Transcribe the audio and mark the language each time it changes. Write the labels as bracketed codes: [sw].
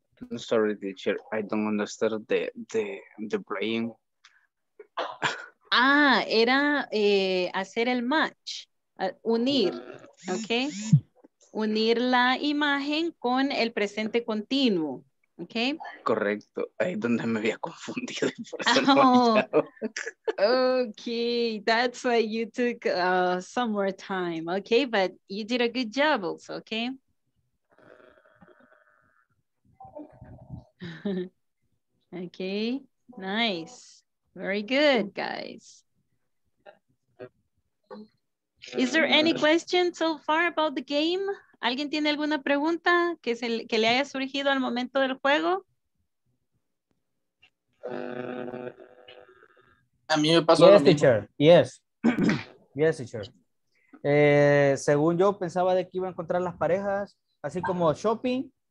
[en] I'm sorry, teacher. I don't understand the brain. [es] Ah, era hacer el match. Unir, ¿ok? Unir la imagen con el presente continuo, ¿ok? Correcto, ahí es donde me había confundido. Oh. [en] Ok, that's why you took some more time, ¿ok? But you did a good job also, ¿ok? Ok, nice. Very good, guys. Is there any question so far about the game? [es] ¿Alguien tiene alguna pregunta que le haya surgido al momento del juego? A mí me pasó. [en] Yes, teacher. Yes. Yes, teacher. [es] Según yo pensaba de que iba a encontrar las parejas, así como shopping.